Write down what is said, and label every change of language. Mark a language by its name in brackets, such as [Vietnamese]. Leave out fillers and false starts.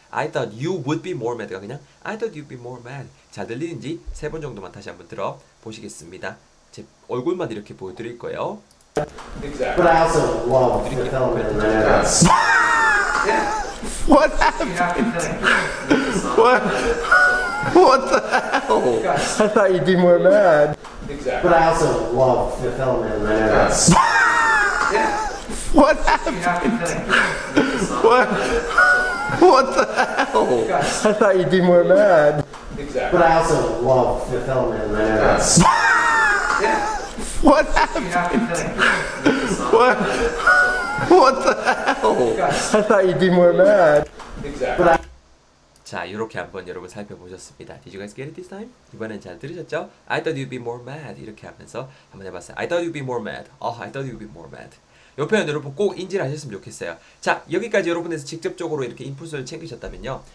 [English] I thought you would be more mad. 가 그냥 I thought you'd be more mad. [Korean] 잘 들리는지 세 번 정도만 다시 한번 들어보시겠습니다. 제 얼굴만 이렇게 보여드릴 거예요. [English] Exactly. But I also love the film. What happened? What the hell? I thought you'd be more mad. Exactly. But I also love Fifth Element. What happened? What the hell? I thought you'd be more mad. Exactly. But I also love Fifth Element. What happened? What the hell? I thought you'd be more mad. Exactly. [Korean] 자, 이렇게 한번 여러분 살펴보셨습니다. [English] Did you guys get it this time? [Korean] 이번엔 잘 들으셨죠? [English] I thought you'd be more mad. [Korean] 이렇게 하면서 한번 해봤어요. [English] I thought you'd be more mad. Oh, I thought you'd be more mad. [Korean] 요 표현 여러분 꼭 인지를 하셨으면 좋겠어요. 자, 여기까지 여러분에서 직접적으로 이렇게 인풋을 챙기셨다면요.